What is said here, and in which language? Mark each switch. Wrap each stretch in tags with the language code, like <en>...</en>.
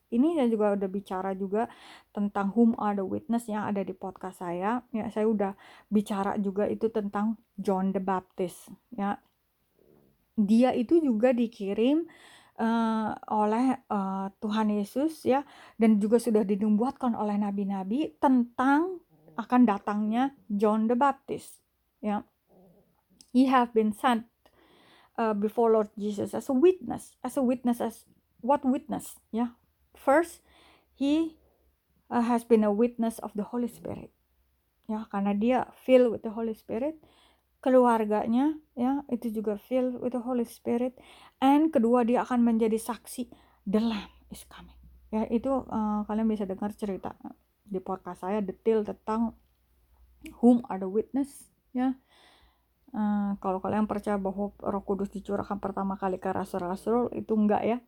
<id>Ini saya juga udah bicara juga tentang whom are the witness, yang ada di podcast saya, ya, saya udah bicara juga itu tentang John the Baptist, ya, dia itu juga dikirim oleh Tuhan Yesus, ya, dan juga sudah dinubuatkan oleh nabi-nabi tentang akan datangnya John the Baptist, ya.</id> <en>He have been sent before Lord Jesus as a witness, as what witness, ya. First, he has been a witness of the Holy Spirit, ya, karena dia filled with the Holy Spirit.</en> <id>Keluarganya, ya, itu juga filled with the Holy Spirit. And kedua, dia akan menjadi saksi, the Lamb is coming. Ya, itu kalian bisa dengar cerita di podcast saya detail tentang whom are the witness, ya. Kalau kalian percaya bahwa Roh Kudus dicurahkan pertama kali ke rasul-rasul, itu enggak, ya.</id>